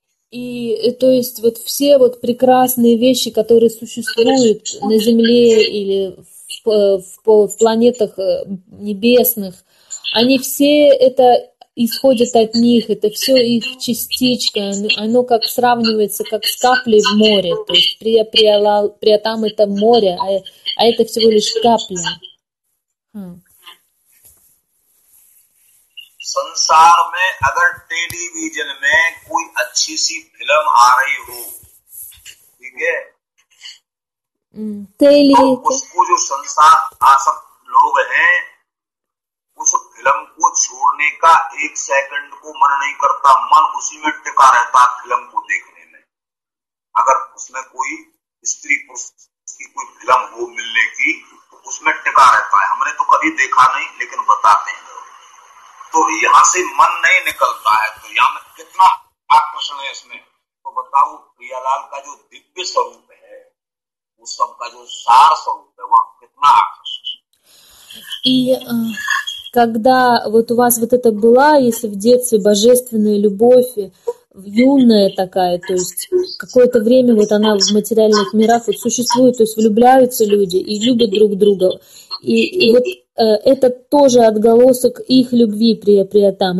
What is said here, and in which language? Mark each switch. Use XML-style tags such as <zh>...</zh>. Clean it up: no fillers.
<ru>И то есть вот все вот прекрасные вещи, которые существуют на Земле или в планетах небесных, они все это исходят от них, это все их частичка, оно как сравнивается как с каплей в море, то есть приятам это море, а это всего лишь капля.</ru> <hi>संसार में अगर टेलीविजन में कोई अच्छी सी फिल्म आ रही हो ठीक है टेली उसको जो संसार आसक्त लोग हैं उस फिल्म को छोड़ने का एक सेकंड को मन नहीं करता मन उसी में टिका रहता फिल्म को देखने में अगर उसमें कोई स्त्री पुरुष की कोई फिल्म हो मिलने की तो उसमें टिका रहता है हमने तो कभी देखा नहीं लेकिन बताते हैं तो यहां से मन नहीं निकलता है तो यहां में कितना आकर्षण है इसमें तो बताओ प्रियालाल का जो दिव्य स्वरूप है उस सब का जो सार स्वरूप है वहां कितना आकर्षण</hi> <ru>है Когда вот у вас вот это была, если в детстве божественная любовь, юная такая, то есть какое-то время вот она в материальных мирах вот существует, то есть влюбляются люди и любят друг друга. И вот это тоже отголосок их любви приятам.</ru>